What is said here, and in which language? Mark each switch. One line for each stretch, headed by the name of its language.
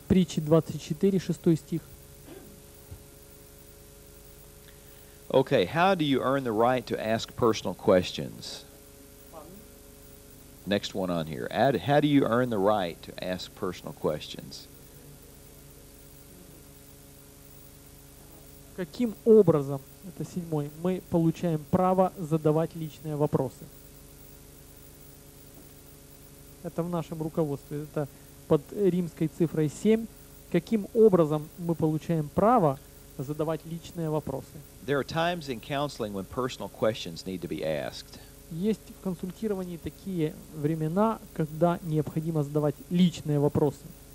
Russian: Притчи 24:6 стих.
English: Okay, how do you earn the right to ask personal questions? Next one on here. How do you earn the right to ask personal questions?
Russian: Каким образом, это седьмой, мы получаем право задавать личные вопросы? это в нашем руководстве, это под римской цифрой 7, каким образом мы получаем право задавать личные вопросы.
English: There are times in counseling when personal questions need to be asked.
Russian: Есть в консультировании такие времена, когда необходимо задавать личные вопросы.